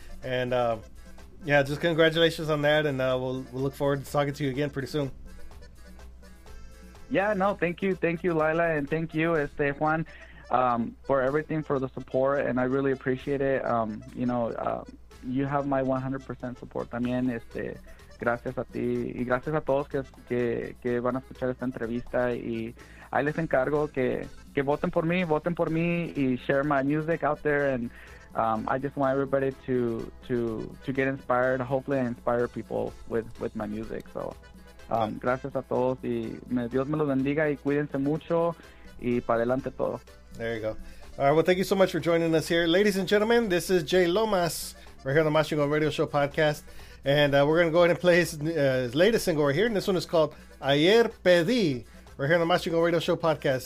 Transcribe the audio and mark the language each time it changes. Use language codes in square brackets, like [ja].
[en] And yeah, just congratulations on that, and we'll look forward to talking to you again pretty soon. Yeah, no, thank you Lila, and thank you Juan, for everything, for the support, and I really appreciate it. You know, you have my 100% support [es] también. Gracias a ti y gracias a todos que van a escuchar esta entrevista, y ahí les encargo que voten por mí y [en] share my music out there. And I just want everybody to get inspired, hopefully I inspire people with my music. So [es] gracias a todos, y Dios me los bendiga, y cuídense mucho, y para adelante todo. [en] There you go. All right, well, thank you so much for joining us here. Ladies and gentlemen, this is J Lomas. We're here on the Machingo Radio Show podcast. And we're going to go ahead and play his latest single right here. And this one is called Ayer Pedí. We're here on the Machingo Radio Show podcast.